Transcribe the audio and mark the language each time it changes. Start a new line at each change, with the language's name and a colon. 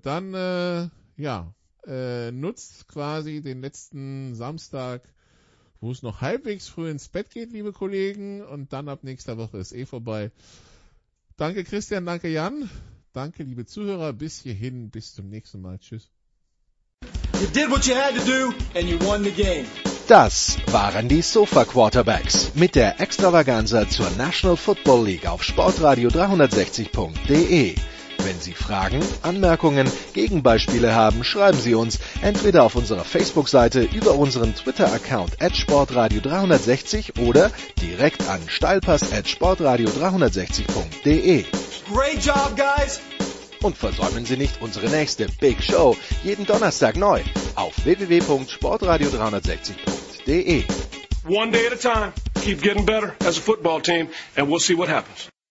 German: Dann nutzt quasi den letzten Samstag, wo es noch halbwegs früh ins Bett geht, liebe Kollegen. Und dann ab nächster Woche ist vorbei. Danke Christian, danke Jan. Danke liebe Zuhörer. Bis hierhin, bis zum nächsten Mal. Tschüss.
English: You did what you had to do and you won the game.
German: Das waren die Sofa Quarterbacks mit der Extravaganza zur National Football League auf sportradio360.de. Wenn Sie Fragen, Anmerkungen, Gegenbeispiele haben, schreiben Sie uns entweder auf unserer Facebook-Seite über unseren Twitter-Account @sportradio360 oder direkt an steilpass@sportradio360.de.
English: Great job, guys!
German: Und versäumen Sie nicht unsere nächste Big Show jeden Donnerstag neu auf www.sportradio360.de.
English: One day at a time, keep getting better as a football team, and we'll see what happens.